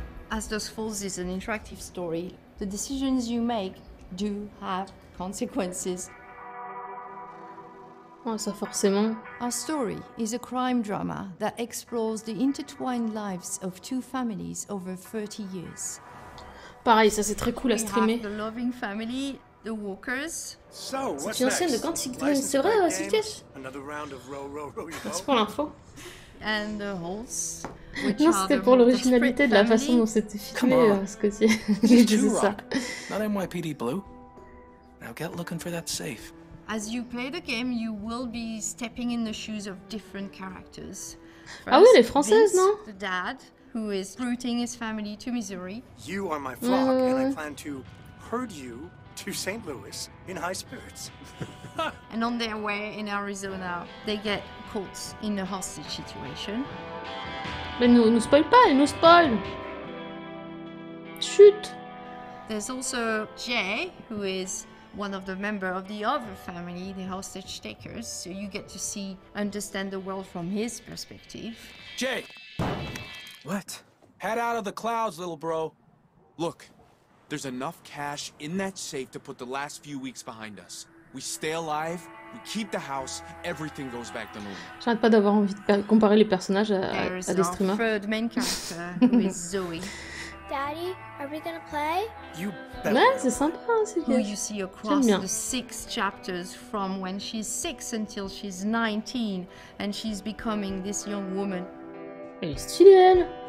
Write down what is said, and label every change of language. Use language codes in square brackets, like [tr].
[en] As Dusk Falls is an interactive story, the decisions you make do have consequences. [fr] Oh, ça forcément. [en] Our story is a crime drama that explores the intertwined lives of two families over 30 years. [fr] Pareil, ça c'est très cool à streamer. [en] We have the loving family, the Walkers. [fr] So, c'est une ancienne de Quantic Dream, c'est vrai, c'est le piège. [en] Another round of row, row, row, you go. [fr] C'est pour l'info. [en] And the Holtz. [fr] Non, c'était pour l'originalité de la façon dont c'était filmé ce côté. J'ai dit ça. [en] Not NYPD Blue. Now get looking for that safe. As you play the game, you will be stepping in the shoes of different characters. First, [fr] ah oui, les Françaises, non? [en] The dad, who is rooting his family to Missouri. You are my flock, and I plan to herd you to St. Louis in high spirits. And on their way in Arizona, they get caught in a hostage situation. [fr] Mais nous, nous spoil pas, nous spoil. Chut. [en] There's also Jay, who is one of the members of the other family, the hostage takers, so you get to see, understand the world from his perspective. Jay! What? Head out of the clouds, little bro. Look, there's enough cash in that safe to put the last few weeks behind us. We stay alive, we keep the house, everything goes back to normal. [fr] J'arrête pas d'avoir envie de comparer les personnages à des streamers. [en] There's our third main character, who is Zoe. Daddy, are we gonna play? You better. [fr] Ouais, c'est sympa, hein, c'est bien. [en] Who you see across the six chapters from when she's six until she's 19 and she's becoming this young woman. [fr] Elle est stylée, elle.